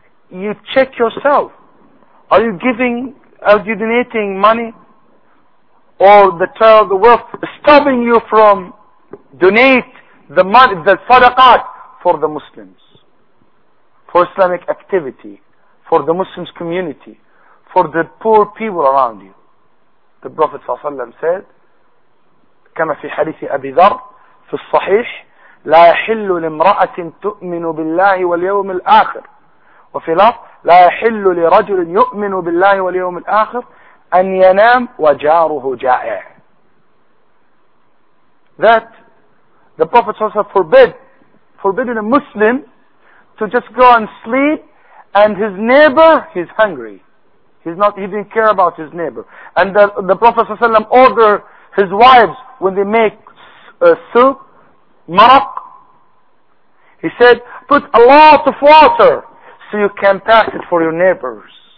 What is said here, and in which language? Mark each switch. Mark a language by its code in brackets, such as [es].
[en] You check yourself. Are you giving, are you donating money? Or the trail of the wealth stopping you from donate the money, the sadaqat for the Muslims, for Islamic activity, for the Muslims community, for the poor people around you? The Prophet ﷺ said, [ar] كما في حديث أبي ذر في الصحيح لا يحل لامرأة تؤمن بالله واليوم الآخر وفي لفظ لا يحل لرجل يؤمن بالله واليوم الآخر أن ينام وجاره جائع. [en] That the Prophet also forbidden a Muslim to just go and sleep and his neighbor, he's hungry. He didn't care about his neighbor. And the Prophet ﷺ ordered his wives when they make soup, maraq, he said, put a lot of water so you can pass it for your neighbors.